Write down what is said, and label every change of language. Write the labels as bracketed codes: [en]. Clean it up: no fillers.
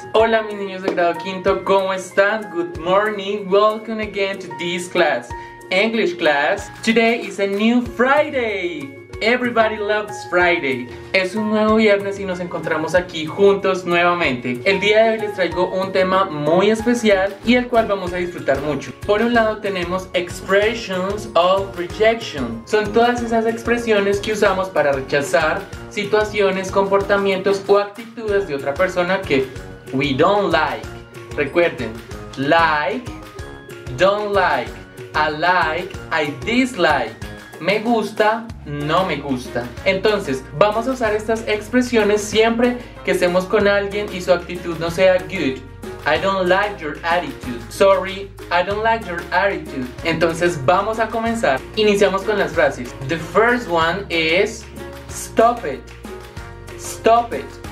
[es] Hola mis niños de grado quinto, ¿cómo están? [en] Good morning, welcome again to this class, English class. Today is a new Friday! Everybody loves Friday. [es] Es un nuevo viernes y nos encontramos aquí juntos nuevamente. El día de hoy les traigo un tema muy especial y el cual vamos a disfrutar mucho. Por un lado tenemos [en] expressions of rejection. [es] Son todas esas expresiones que usamos para rechazar situaciones, comportamientos o actitudes de otra persona que [en] we don't like. Recuerden, like, don't like, I like, I dislike. [es] Me gusta, no me gusta. Entonces, vamos a usar estas expresiones siempre que estemos con alguien y su actitud no sea good. [en] I don't like your attitude. Sorry, I don't like your attitude. [es] Entonces, vamos a comenzar. Iniciamos con las frases. [en] The first one is stop it. Stop it.